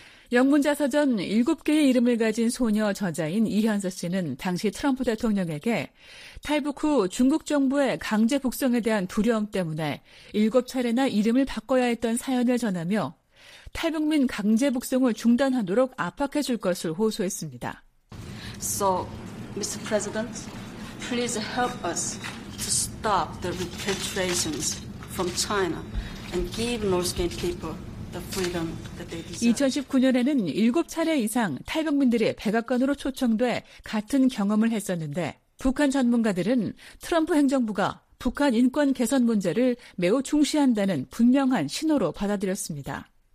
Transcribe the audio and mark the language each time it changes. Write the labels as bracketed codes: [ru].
[ko] 영문자서전 7개의 이름을 가진 소녀 저자인 이현서 씨는 당시 트럼프 대통령에게 탈북 후 중국 정부의 강제 북송에 대한 두려움 때문에 7차례나 이름을 바꿔야 했던 사연을 전하며 탈북민 강제 북송을 중단하도록 압박해 줄 것을 호소했습니다. [en] So, Mr. President, please help us to stop the repatriations from China and give North Korean people [ko] 2019년에는 7차례 이상 탈북민들이 백악관으로 초청돼 같은 경험을 했었는데 북한 전문가들은 트럼프 행정부가 북한 인권 개선 문제를 매우 중시한다는 분명한 신호로 받아들였습니다.